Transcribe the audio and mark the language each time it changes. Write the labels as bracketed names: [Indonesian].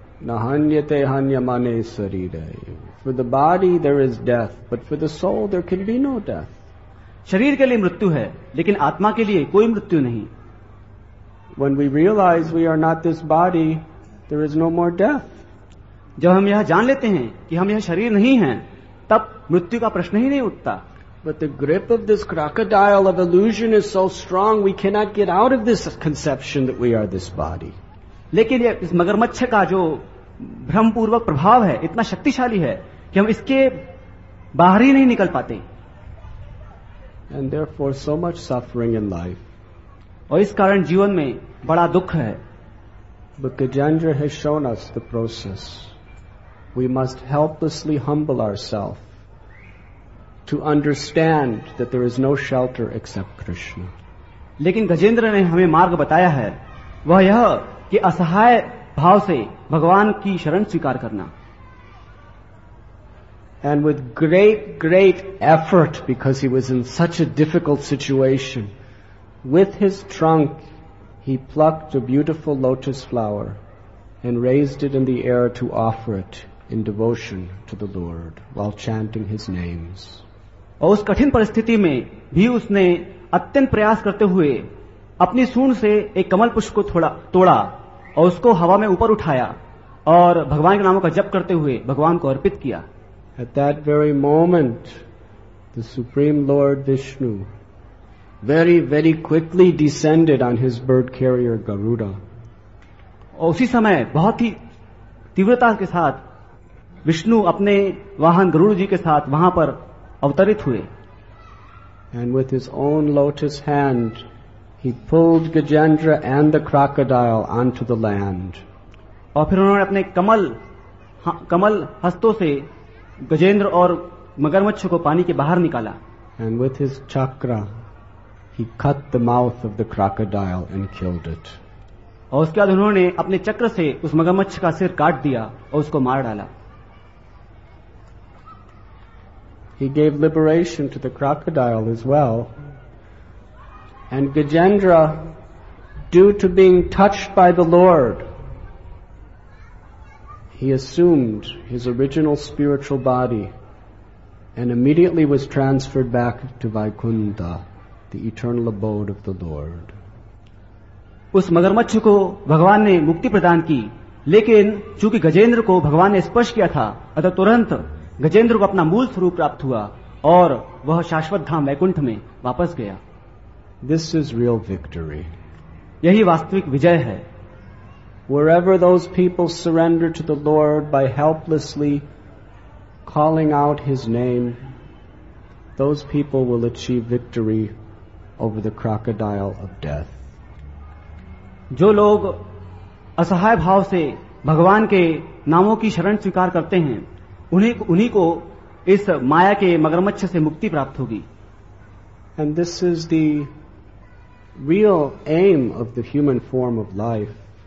[Sanskrit] न हन्यते हन्यमाने शरीरे. [English] For the body there is death, but for the soul there can be no death. [Hindi] शरीर के लिए मृत्यु है लेकिन आत्मा के लिए कोई मृत्यु नहीं. [English] When we realize we are not this body, there is no more death. [Hindi] जब हम यह जान लेते हैं कि हम यह शरीर नहीं हैं, तब मृत्यु का प्रश्न ही नहीं उठता. [English] But the grip of this crocodile of illusion is so strong we cannot get out of this conception that we are this body. [Hindi] लेकिन इस मगरमच्छ का जो भ्रमपूर्वक प्रभाव है इतना शक्तिशाली है कि हम इसके बाहर ही नहीं निकल पाते. [English] And therefore so much suffering in life. [Hindi] और इस कारण जीवन में बड़ा दुख है. [English] But Gajendra has shown us the process. We must helplessly humble ourselves to understand that there is no shelter except Krishna. [Hindi] लेकिन गजेंद्र ने हमें मार्ग बताया है, वह यह कि असहाय भाव से भगवान की शरण स्वीकार करना. [English] And with great, great effort, because he was in such a difficult situation, with his trunk he plucked a beautiful lotus flower and raised it in the air to offer it in devotion to the Lord while chanting his names. [Hindi] और उस कठिन परिस्थिति में भी उसने अत्यंत प्रयास करते हुए अपनी सूंड से एक कमल पुष्प को तोड़ा और उसको हवा में ऊपर उठाया और भगवान के नामों का जप करते हुए भगवान को अर्पित किया. [English] At that very moment, the Supreme Lord Vishnu very, very quickly descended on his bird carrier Garuda. [Hindi] और उसी समय बहुत ही तीव्रता के साथ विष्णु अपने वाहन गरुड़ जी के साथ वहां पर अवतरित हुए. [English] And with his own lotus hand, he pulled Gajendra and the crocodile onto the land. [Hindi] और फिर उन्होंने अपने कमल हस्तों से गजेंद्र और मगरमच्छ को पानी के बाहर निकाला. [English] And with his chakra, he cut the mouth of the crocodile and killed it. [Hindi] और उसके बाद उन्होंने अपने चक्र से उस मगरमच्छ का सिर काट दिया और उसको मार डाला. [English] He gave liberation to the crocodile as well. And Gajendra, due to being touched by the Lord, he assumed his original spiritual body and immediately was transferred back to Vaikuntha, the eternal abode of the Lord. [Hindi] उस मगरमच्छ को भगवान ने मुक्ति प्रदान की, लेकिन चूंकि गजेंद्र को भगवान ने स्पर्श किया था, अतः तुरंत गजेंद्र को अपना मूल स्वरूप प्राप्त हुआ और वह शाश्वत धाम वैकुंठ में वापस गया. [English] This is real victory. [Hindi] यही वास्तविक विजय है. [English] Wherever those people surrender to the Lord by helplessly calling out his name, those people will achieve victory over the crocodile of death. [Hindi] जो लोग असहाय भाव से भगवान के नामों की शरण स्वीकार करते हैं उन्हीं को इस माया के मगरमच्छ से मुक्ति प्राप्त होगी. [English] And this is the real aim of the human form of life.